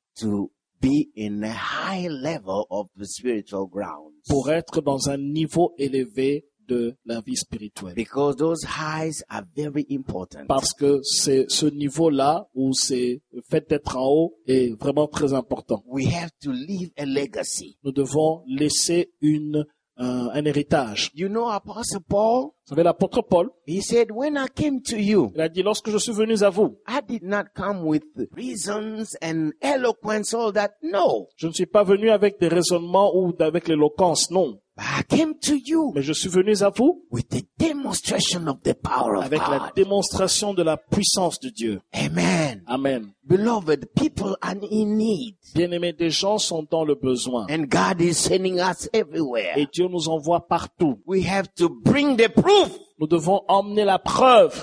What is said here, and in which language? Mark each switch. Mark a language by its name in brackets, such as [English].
[English] To be in a high level of the spiritual grounds. [French] Pour être dans un niveau élevé de la vie spirituelle. [English] Because those highs are very important. [French] Parce que c'est ce niveau-là où c'est le fait d'être en haut est vraiment très important. [English] We have to leave a legacy. [French] Nous devons laisser un héritage. [English] You know, Apostle Paul, [French] vous savez l'apôtre Paul? [English] He said, "When I came to you, [French] il a dit lorsque je suis venu à vous, [English] I did not come with reasons and eloquence all that. No. [French] Je ne suis pas venu avec des raisonnements ou avec l'éloquence, non. [English] I came to you. [French] Mais je suis venu à vous. [English] With the demonstration of the power of God. [French] Avec la démonstration de la puissance de Dieu. [English] Amen. [French] Amen. [English] Beloved, people are in need. [French] Bien-aimés, des gens sont dans le besoin. [English] And God is sending us everywhere. [French] Et Dieu nous envoie partout. [English] We have to bring the proof. [French] Nous devons emmener la preuve.